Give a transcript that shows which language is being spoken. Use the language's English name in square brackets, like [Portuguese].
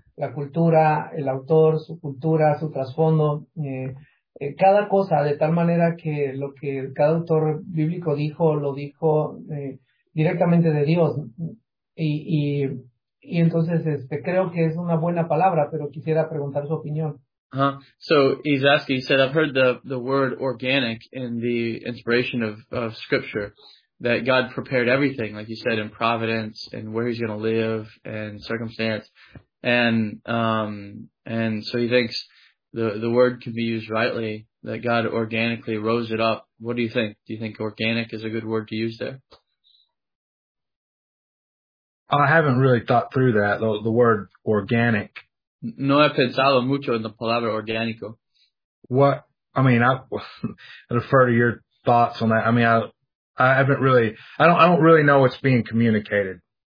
[Spanish] La cultura, el autor, su cultura, su trasfondo, cada cosa, de tal manera que lo que cada autor bíblico dijo, lo dijo directamente de Dios. Y entonces creo que es una buena palabra, pero quisiera preguntar su opinión. [English] So he's asking, he said, I've heard the word organic in the inspiration of scripture, that God prepared everything, like you said, in providence and where he's going to live and circumstance. And so he thinks the word can be used rightly, that God organically rose it up. What do you think? Do you think organic is a good word to use there? I haven't really thought through that, the word organic. [Spanish] No he pensado mucho en la palabra orgánico. [English] What? I mean, I refer to your thoughts on that. I mean, I don't really know what's being communicated.